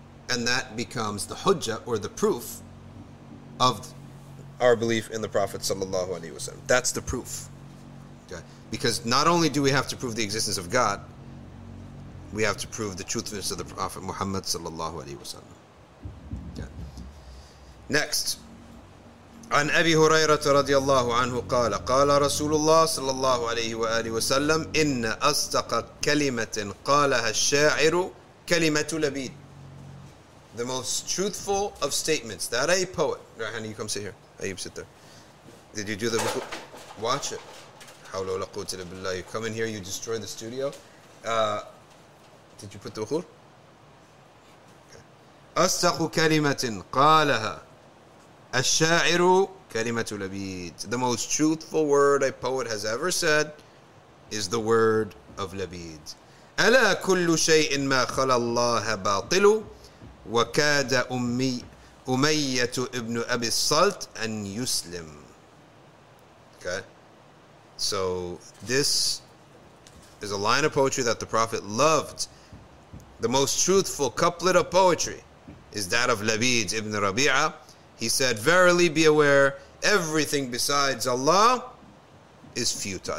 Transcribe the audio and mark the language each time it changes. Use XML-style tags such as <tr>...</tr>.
<en>And that becomes the hujjah, or the proof, of our belief in the Prophet sallallahu alaihi wasallam. That's the proof. Okay? Because not only do we have to prove the existence of God, we have to prove the truthfulness of the Prophet Muhammad sallallahu alaihi wasallam. Okay. Next.</en> <ar>عن أبي هريرة رضي الله عنه قال قال رسول الله صلى الله عليه وآله وسلم إن أصدق كلمة قالها الشاعر كلمة لبيد.</ar> <en>The most truthful of statements that a poet. Rahani, you come sit here. Ayub, sit there. Did you do the book? Watch it.</en> <ar>حول ولا قوة إلا بالله.</ar> <en>You come in here, you destroy the studio. Did you put the bukhur? Okay.</en> <ar>أصدق كلمة قالها الشاعرُ كلمة لبيد.</ar> <en>The most truthful word a poet has ever said is the word of لبيد.</en> <ar>ألا كل شيء ما خلا الله باطل وكاد أمية ابن أبي الصلت أن يسلم.</ar> <en>Okay. So this is a line of poetry that the Prophet loved. The most truthful couplet of poetry is that of لبيد ابن ربيعه. He said, verily be aware, everything besides Allah is futile.</en>